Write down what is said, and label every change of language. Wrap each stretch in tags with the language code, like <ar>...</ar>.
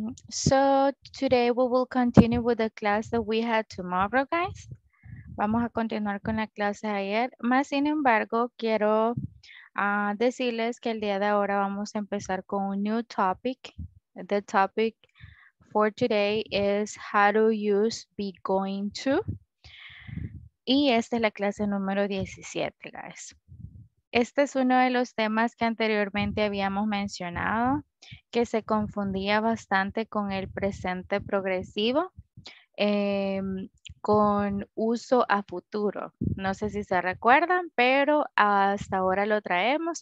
<en>So today we will continue with the class that we had tomorrow, guys.</en> <es>Vamos a continuar con la clase de ayer. Más sin embargo, quiero decirles que el día de ahora vamos a empezar con un</es> <en>new topic. The topic for today is how to use be going to.</en> <es>Y esta es la clase número 17, guys. Este es uno de los temas que anteriormente habíamos mencionado, que se confundía bastante con el presente progresivo, con uso a futuro. No sé si se recuerdan, pero hasta ahora lo traemos.</es>